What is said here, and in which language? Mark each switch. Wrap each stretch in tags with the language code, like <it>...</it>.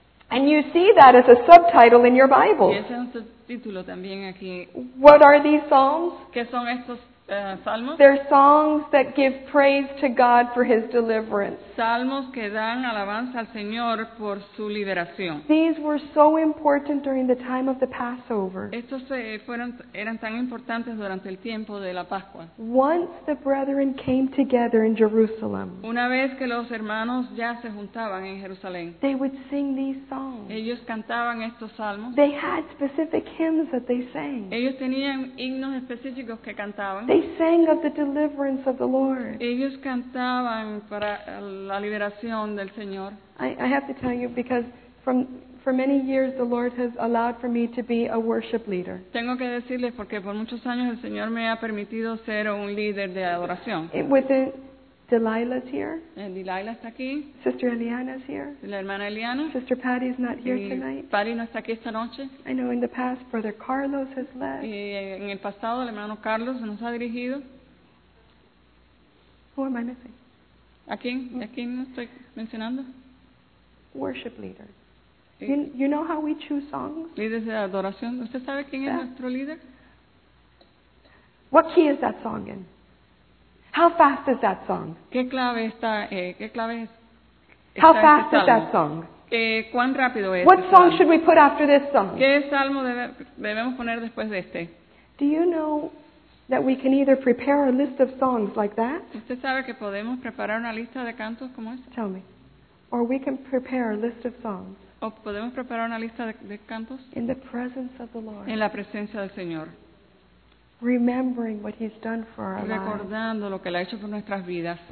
<en>And you see that as a subtitle in your Bible.</en> <es>Y ese es un subtítulo también aquí.</es> <en>What are these Psalms?</en> <es>¿Qué son estos, Salmos?</es> <en>They're songs that give praise to God for His deliverance.</en> <es>Salmos que dan alabanza al Señor por su liberación.</es> <en>These were so important during the time of the Passover.</en> <es>Estos eran tan importantes durante el tiempo de la Pascua.</es> <en>Once the brethren came together in Jerusalem,</en> <es>una vez que los hermanos ya se juntaban en Jerusalén,</es> <en>they would sing these songs.</en> <es>Ellos cantaban estos salmos.</es> <en>They had specific hymns that they sang.</en> <es>Ellos tenían himnos específicos que cantaban.</es> <en>They sang of the deliverance of the Lord.</en> <es>Ellos cantaban para la liberación del Señor.</es> <en>I have to tell you, because for many years the Lord has allowed for me to be a worship leader.</en> <es>Tengo que decirles porque por muchos años el Señor me ha permitido ser un líder de adoración.</es> <en>Delilah's here.</en> <es>And Delilah está aquí.</es> <en>Sister Eliana's here.</en> <es>La hermana Eliana.</es> <en>Sister Patty's not here tonight.</en> <es>Patty no está aquí esta noche.</es> <en>I know in the past Brother Carlos has left.</en> <es>Y en el pasado el hermano Carlos nos ha dirigido.</es> <en>Who am I missing?</en> <es>¿A quién no estoy mencionando?</es> <en>Worship leader. You know how we choose songs?</en> <es>Líderes de adoración. ¿Usted sabe quién es nuestro líder?</es> <en>What key is that song in? How fast is that song?</en> <es>¿Qué clave está? ¿Qué clave es?</es> <en>How fast is that song?</en> <es>¿Cuán rápido es?</es> <en>What song should we put after this song?</en> <es>¿Qué salmo debemos poner después de este?</es> <en>Do you know that we can either prepare a list of songs like that?</en> <es>¿Usted sabe que podemos preparar una lista de cantos como esta?</es> <en>Tell me. Or we can prepare a list of songs.</en> <es>¿O podemos preparar una lista de cantos?</es> <en>In the presence of the Lord.</en> <es>En la presencia del Señor.</es> <en>Remembering what He's done for our lives.</en> <es>Recordando lo que Él ha hecho por nuestras vidas.</es>